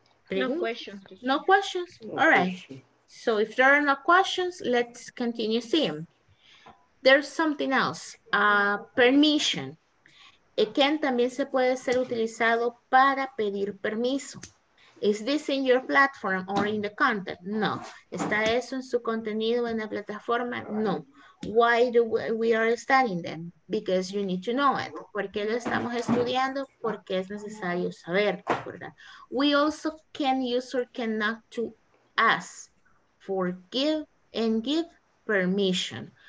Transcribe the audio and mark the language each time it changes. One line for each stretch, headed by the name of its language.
English: No questions. No questions? All right. So if there are no questions, let's continue seeing. There's something else. Permission.
Spanish: It can también se puede ser utilizado para pedir permiso.
English: Is this in your platform or in the content? No.
Spanish: ¿Está eso en su contenido en la plataforma?
English: No. Why do we are studying them? Because you need to know it.
Spanish: ¿Por qué lo estamos estudiando? Porque es necesario saber, ¿verdad?
English: We also can use or cannot to ask for give and give permission.